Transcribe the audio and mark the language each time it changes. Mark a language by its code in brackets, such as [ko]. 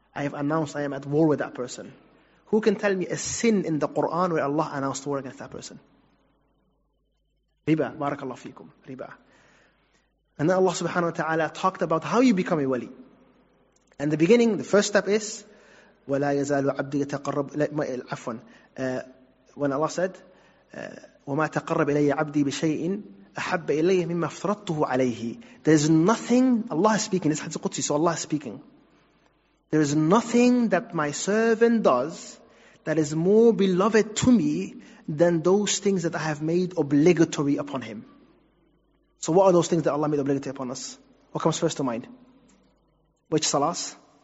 [en] I have announced I am at war with that person. Who can tell me a sin in the Qur'an where Allah announced war against that person? Riba, barakallahu feekum, riba. And then Allah subhanahu wa ta'ala talked about how you become a wali. And the beginning, the first step is, [ar] وَلَا يَزَالُ عَبْدِي يَتَقَرَّبُ. عفواً. [en] When Allah said, [ar] وَمَا تَقَرَّبْ إِلَيَّ عَبْدِي بِشَيْءٍ أحب إليه مما افترضته عليه. [en] There is nothing, Allah is speaking, this is Hadith Qudsi, so Allah is speaking. There is nothing that my servant does that is more beloved to me than those things that I have made obligatory upon him. So what are those things that Allah made obligatory upon us? What comes first to mind? Which salas?